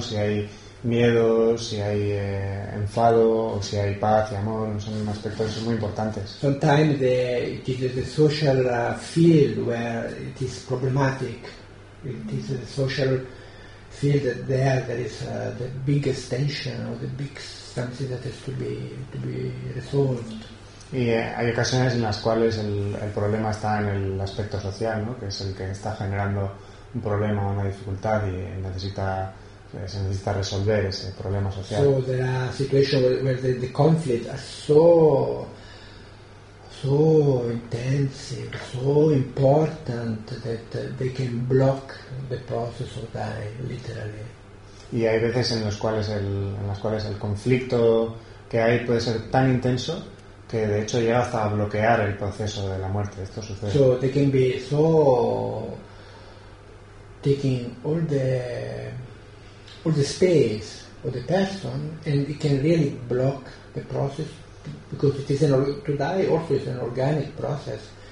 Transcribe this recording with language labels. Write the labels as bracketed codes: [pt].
[es] Si hay miedo, si hay enfado, o si hay paz y amor, son aspectos muy importantes. [en] Sometimes it is the social field where it is problematic. It is the social field that there is the biggest tension or the big something that has to be resolved. [es] Y hay ocasiones en las cuales el problema está en el aspecto social, ¿no? Que es el que está generando un problema o una dificultad y necesita. Se necesita resolver ese problema social. [en] So there are situations where the conflict is so intensive, so important that they can block the process of dying, literally. [es] Y hay veces en las cuales el conflicto que hay puede ser tan intenso que de hecho llega hasta a bloquear el proceso de la muerte. Esto sucede. [en] So they can be so taking all the or the space or the person, and it can really block the process because it is to die also is an organic process.